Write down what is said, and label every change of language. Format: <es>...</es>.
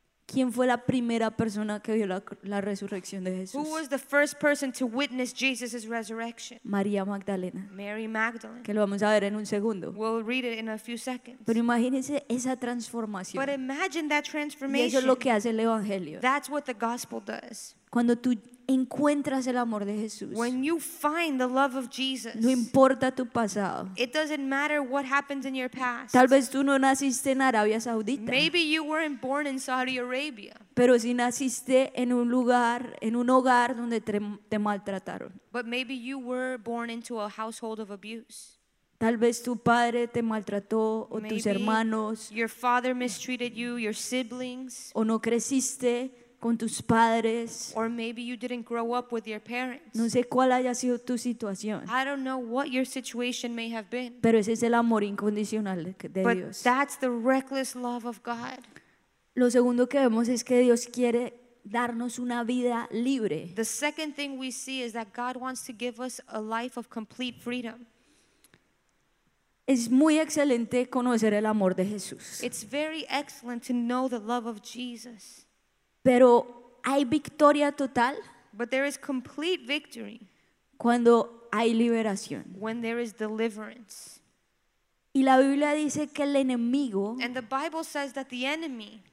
<es>¿quién fue la primera persona que vio la resurrección de Jesús?</es> <en>Who was the first person to witness Jesus' resurrection?</en> <es>María Magdalena.</es> <en>Mary Magdalene.</en> <es>Que lo vamos a ver en un segundo.</es> <en>We'll read it in a few seconds.</en> <es>Pero imagínense esa transformación.</es> <en>But imagine that transformation.</en> <es>Y eso es lo que hace el evangelio.</es> <en>That's what the gospel does.</en> <es>Cuando tú encuentras el amor de Jesús.</es> <en>When you find the love of Jesus.</en> <es>No importa tu pasado.</es> <en>It doesn't matter what happens in your past.</en> <es>Tal vez tú no naciste en Arabia Saudita.</es> <en>Maybe you weren't born in Saudi Arabia.</en> <es>Pero si naciste en un lugar, en un hogar donde te maltrataron.</es> <en>But maybe you were born into a household of abuse.</en> <es>Tal vez tu padre te maltrató o</es> <en>maybe</en> <es>tus hermanos.</es> <en>Your father mistreated you, your siblings.</en> <es>O no creciste con tus padres.</es> <en>Or maybe you didn't grow up with your parents.</en> <es>No sé cuál haya sido tu situación.</es> <en>I don't know what your situation may have been.</en> <es>Pero ese es el amor incondicional de Dios.</es> <en>But that's the reckless love of God.</en> <es>Lo segundo que vemos es que Dios quiere darnos una vida libre.</es> <en>The second thing we see is that God wants to give us a life of complete freedom.</en> <es>Es muy excelente conocer el amor de Jesús.</es> <en>It's very excellent to know the love of Jesus.</en> <es>Pero hay victoria total.</es> <en>But there is complete victory.</en> <es>Cuando hay liberación.</es> <en>When there is deliverance.</en> <es>Y la Biblia dice que el enemigo.</es> <en>And the Bible says that the enemy.</en>